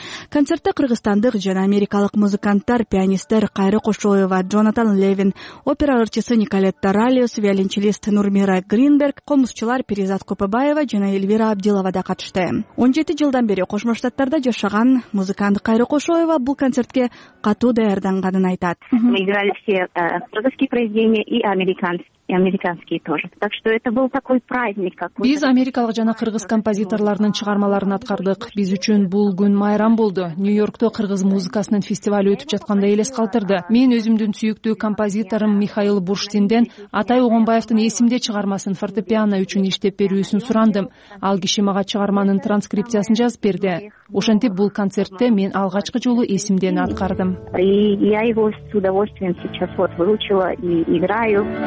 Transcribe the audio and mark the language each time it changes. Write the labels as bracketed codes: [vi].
[ky] Концертте кыргызстандык жана америкалык музыканттар, пианисттер Кайры Кошоева, Джонатан Левин, опера ырчысы Николетта Ралиус, виолончелист Нурмира Гринберг, комузчулар Перизат Копыбаева жана Эльвира Абдилова да катышты. 17 жылдан бери Кошмо Штаттарда жашаган музыкант Кайры Кошоева бул концертке катуу даярданганын айтат. [ru] Мы играли все кыргызские произведения и американские тоже. Так что это был такой праздник какой-то. [ky] Биз америкалык жана кыргыз композиторлорунун чыгармаларын аткардык. Биз үчүн бул күн майрам болду. Нью-Йоркто кыргыз музыкасынын фестивалы өтүп жатканда элес калтырды. Мен өзүмдүн сүйүктүү композиторум Михаил Бурштинден Атай Огонбаевдин Эсимде чыгармасын фортепиано үчүн иштеп берүүсүн сурандым. Ал киши мага чыгарманын транскрипциясын жазып берди. Ошентип бул концертте мен алгачкы жолу Эсимден аткардым. [ru] Я его с удовольствием сейчас вот выучила и играю.